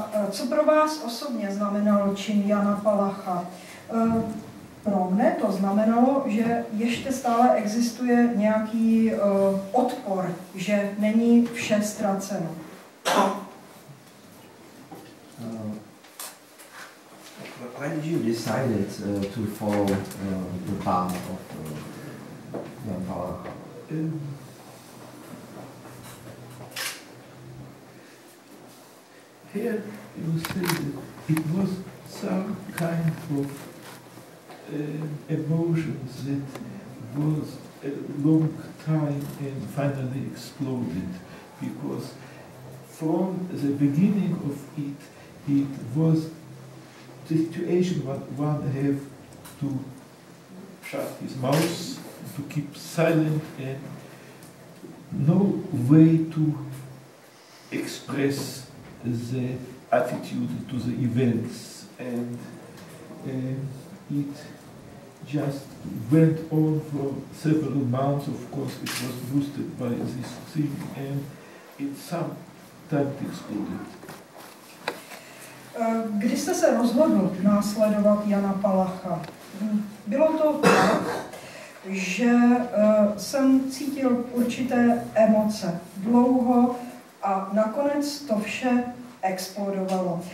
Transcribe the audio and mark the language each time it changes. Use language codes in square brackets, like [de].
[cs] Co pro vás osobně znamenalo čin Jana Palacha? Pro mne to znamenalo, že ještě stále existuje nějaký odpor, že není vše ztraceno. [en] Why did you decide to follow the path of Jan Palacha? Here you see that it was some kind of emotion that was a long time and finally exploded, because from the beginning of it, it was the situation that one have to shut his mouth, to keep silent, and no way to express the attitude to the events. And it just went over several months. Of course, it was boosted by this thing, and it sometimes exploded. [cs] Kdy jste se rozhodl následovat Jana Palacha? Bylo to tak, že jsem cítil určité emoce dlouho a nakonec to vše explodovalo.